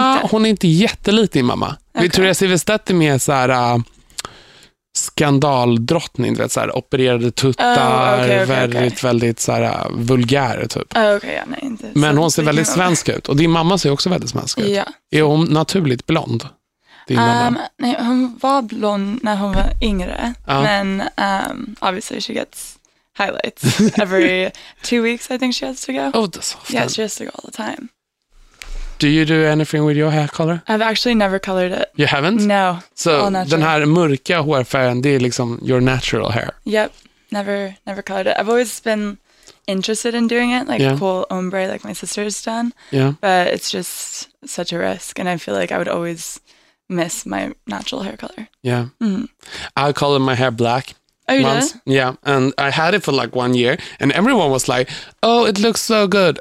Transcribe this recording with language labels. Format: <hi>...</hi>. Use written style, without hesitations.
<sv>Hon är inte jättelik din mamma. Okay. Victoria Silvstedt är mer så här skandaldrottning, du vet, så här opererade tuttar, väldigt väldigt så här vulgär typ. Men hon ser väldigt svensk ut, och din mamma ser också väldigt svensk ut. Ja. Är hon naturligt blond? Nej, hon var blond när hon var yngre, men</sv> <en>obviously she gets highlights every 2 weeks I think she has to go. Oh, that's so fun. Yeah, she has to go all the time. Do you do anything with your hair color? I've actually never colored it. You haven't? No.</en> <sv>So, den här mörka hårfärgen, det är liksom</sv> <en>your natural hair. Yep. Never colored it. I've always been interested in doing it, like cool ombre like my sister's done. Yeah. But it's just such a risk, and I feel like I would always miss my natural hair color. Yeah. Mm-hmm. I colored my hair black. Oh, you did? Yeah, and I had it for like 1 year, and everyone was like, oh, it looks so good.</en>